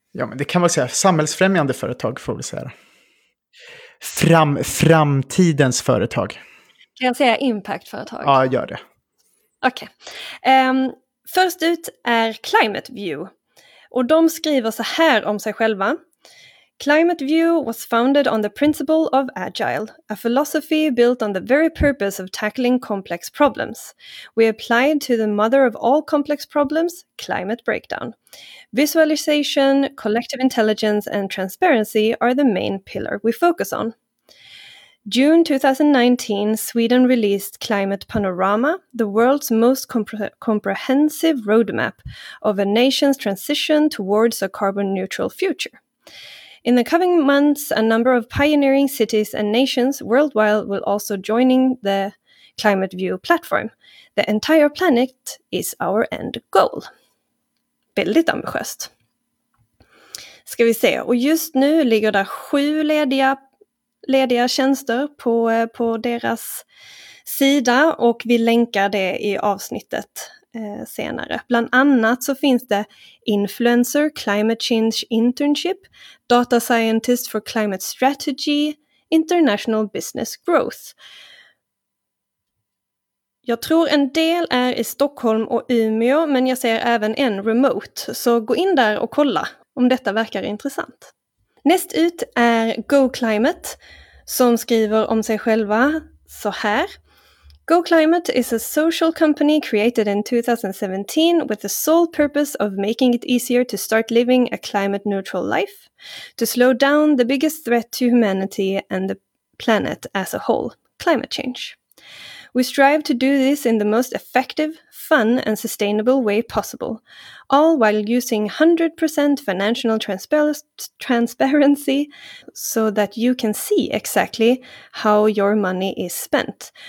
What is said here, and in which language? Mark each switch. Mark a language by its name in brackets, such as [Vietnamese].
[Swedish] Ja, men det kan man säga, samhällsfrämjande företag får vi säga. Framtidens företag. Kan jag säga impactföretag? Ja, gör det. Okej. Först ut är Climate View. Och de skriver så här om sig själva. [English] Climate View was founded on the principle of agile, a philosophy built on the very purpose of tackling complex problems. We applied to the mother of all complex problems, climate breakdown. Visualization, collective intelligence and transparency are the main pillar we focus on. June 2019, Sweden released Climate Panorama, the world's most comprehensive roadmap of a nation's transition towards a carbon neutral future. In the coming months, a number of pioneering cities and nations worldwide will also join the Climate View platform. The entire planet is our end goal. [Swedish] Väldigt ambitiöst. Ska vi se. Och just nu ligger där 7 lediga tjänster på deras sida. Och vi länkar det i avsnittet senare. Bland annat så finns det influencer, [English] climate change internship, data scientist for climate strategy, international business growth. [Swedish] Jag tror en del är i Stockholm och Umeå, men jag ser även en remote. Så gå in där och kolla om detta verkar intressant. Näst ut är Go Climate som skriver om sig själva så här. [English] Go Climate is a social company created in 2017 with the sole purpose of making it easier to start living a climate neutral life, to slow down the biggest threat to humanity and the planet as a whole, climate change. We strive to do this in the most effective, fun and sustainable way possible, all while using 100% financial transparency so that you can see exactly how your money is spent.